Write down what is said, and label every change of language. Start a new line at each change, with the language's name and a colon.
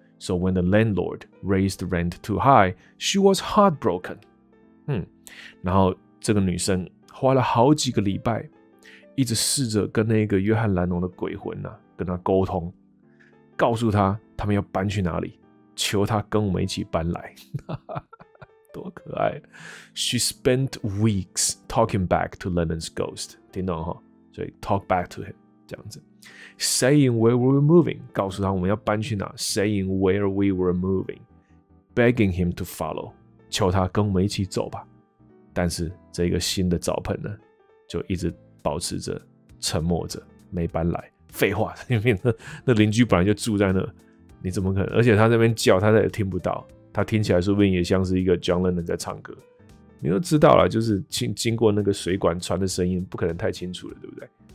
English: So when the landlord raised rent too high, she was heartbroken.
Chinese: 然后这个女生花了好几个礼拜，一直试着跟那个约翰·兰侬的鬼魂呐、跟他沟通，告诉他他们要搬去哪里，求他跟我们一起搬来。多可爱
English: ！She spent weeks talking back to Lennon's ghost.
Chinese: 听懂哈？所以
English: talk back to him
Chinese: 这样子。
English: Saying where we were moving，
Chinese: 告诉他我们要搬去哪。
English: Saying where we were moving， begging him to follow，
Chinese: 求他跟我们一起走吧。但是这个新的澡盆呢，就一直保持着沉默着，没搬来。废话，因为那邻居本来就住在那，你怎么可能？而且他在那边叫，他也听不到。他听起来说不定也像是一个 John Lennon 在唱歌。你都知道了，就是经过那个水管传的声音，不可能太清楚了，对不对？